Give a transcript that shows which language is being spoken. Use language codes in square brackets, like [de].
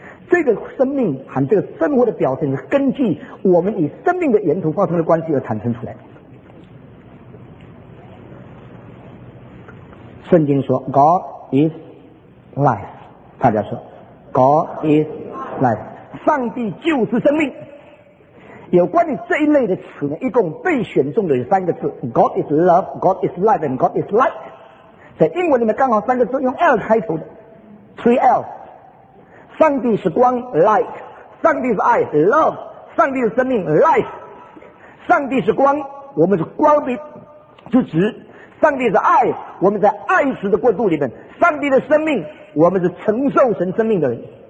[zh] 这个生命和这个生活的表现是根据我们与生命的沿途发生的关系而产生出来的。圣经说 [en] God is life， [zh] 大家说 God is life， 上帝就是生命。有关于这一类的词呢，一共被选中的有三个字 [en] God is love, God is life and God is light。 [zh] 在英文里面刚好三个字用 L 开头的 3L， 上帝是光 light， 上帝是爱 love， 上帝是生命 life。上帝是光，我们是光明之子；上帝是爱，我们在爱时的过渡里面；上帝的生命，我们是承受神生命的人。